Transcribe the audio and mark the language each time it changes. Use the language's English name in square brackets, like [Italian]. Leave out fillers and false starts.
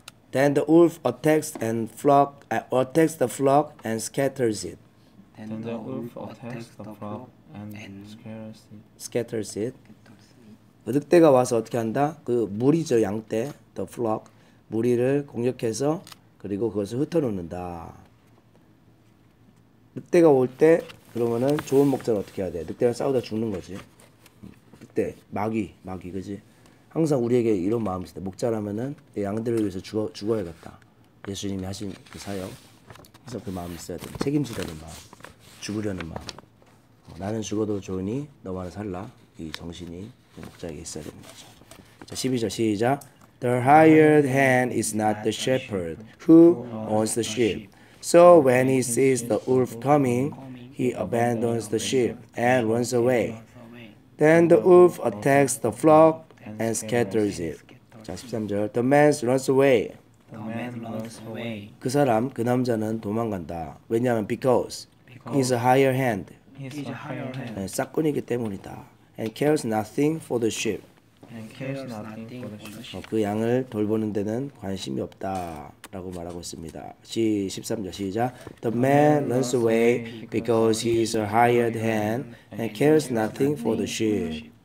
[English] Then the wolf attacks and flock attacks the flock and scatters it. Then the wolf attacks the flock and scatters it. Scatters it. [Korean] 그 늑대가 와서 어떻게 한다? 그 무리죠, 양떼, [English] the flock [Korean] 무리를 공격해서 그리고 그것을 흩어놓는다. 늑대가 올 때 그러면은 좋은 목자는 어떻게 해야 돼? 늑대랑 싸우다 죽는 거지. 늑대, 마귀, 그지? 항상 우리에게 이런 마음이 있어. 목자라면은 양들을 위해서 죽어야겠다. 예수님이 하신 그 사역. 그래서 그 마음이 있어야 돼. 책임지려는 마음, 죽으려는 마음. 나는 죽어도 좋으니 너만은 살라. 이 정신이 목자에게 있어야 되는 거죠. 자, 12절 시작. [English] The hired hand is not the shepherd who owns the sheep. So when he sees the wolf coming, he abandons the sheep and runs away. Then the wolf attacks the flock and scatters it. [Korean] 자, 13절. [English] The man runs away. The man runs away. [Korean] 그 사람, 그 남자는 도망간다. 왜냐하면 [English] because he's a hired hand. [Korean] 싹꾼이기 때문이다. [English] And cares nothing for the sheep. And cares nothing for the sheep. [Korean] 그 양을 돌보는 데는 관심이 없다. 라고 말하고 있습니다. 13절 시작. [English] The man runs away because he is a hired hand and cares nothing for the sheep.